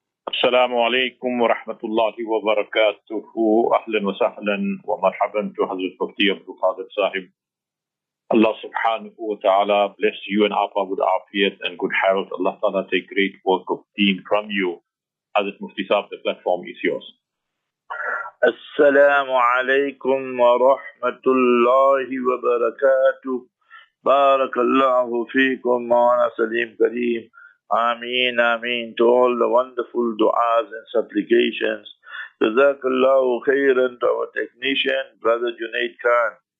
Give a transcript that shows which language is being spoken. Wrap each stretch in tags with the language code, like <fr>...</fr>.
<ar>السلام عليكم ورحمة الله وبركاته. أهلا وسهلا ومرحبا بحضرة المفتي عبد القادر صاحب.</ar> <en>الله سبحانه وتعالى bless you and Apa with afiyat and good health. Allah تعالى take great work of deen from you. Hazrat Mufti Sahib, the platform is yours.</en> <ar>السلام عليكم ورحمة الله وبركاته. بارك الله فيكم وانا سليم كريم.</ar> <en>Ameen, ameen to all the wonderful du'as and supplications. Jazakallahu khairan to our technician, Brother Junaid Khan.</en>